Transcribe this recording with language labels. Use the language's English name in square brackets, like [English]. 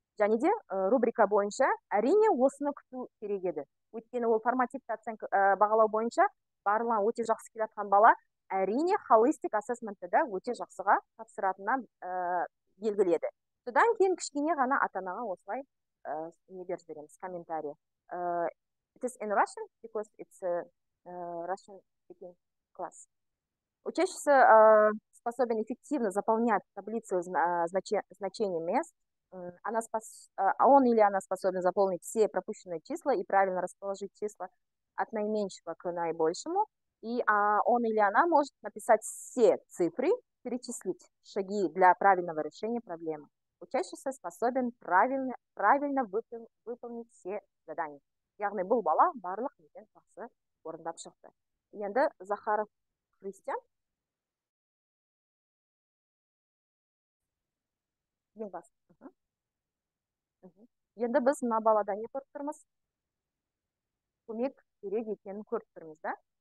[Kazakh] Және де рубрика бойынша әрине осыны күту керек еді. Өйткені ол формативті оценка бағалау бойынша барлығы өте жақсы келе жатқан бала әрине holistic assessment-ті де өте жақсыға тапсыратынына белгілі еді. Содан кейін кішкене ғана ата-анаға осылай не беріп береміз комментарий. [English] It is in Russian because it's a Russian speaking class. [Russian] Учащийся способен эффективно заполнять таблицу значения мест. Он или она способен заполнить все пропущенные числа и правильно расположить числа от наименьшего к наибольшему. И он или она может написать все цифры, перечислить шаги для правильного решения проблемы. Учащийся способен правильно выполнить все задания. [Kazakh] Яғни бұл бала барлық неден жақсы орындап шықты. Енді Захаров Христиан. Ең бас. Енді біз мына балада не көріп тұрмыз? Көмек керек екенін көріп тұрмыз, да?